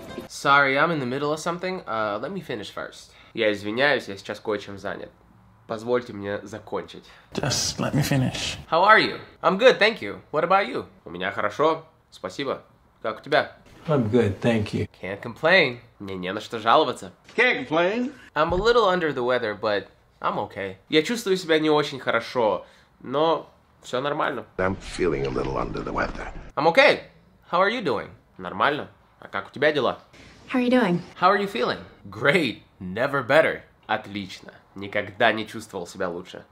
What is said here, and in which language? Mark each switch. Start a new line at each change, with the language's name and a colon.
English: Sorry, I'm in the middle of something. Let me finish first.
Russian: Я извиняюсь, я сейчас кое-чем занят. Позвольте мне закончить.
English: Just let me finish. How are you? I'm good, thank you. What about you?
Russian: У меня хорошо, спасибо. Как у тебя?
English: I'm good, thank you. Can't complain.
Russian: Мне не на что жаловаться.
English: Can't complain. I'm a little under the weather, but I'm okay.
Russian: Я чувствую себя не очень хорошо, но все нормально.
English: I'm feeling a little under the weather. I'm okay. How are you doing?
Russian: Нормально. А как у тебя дела?
English: How are you doing? How are you feeling? Great. Never better.
Russian: Отлично. Никогда не чувствовал себя лучше.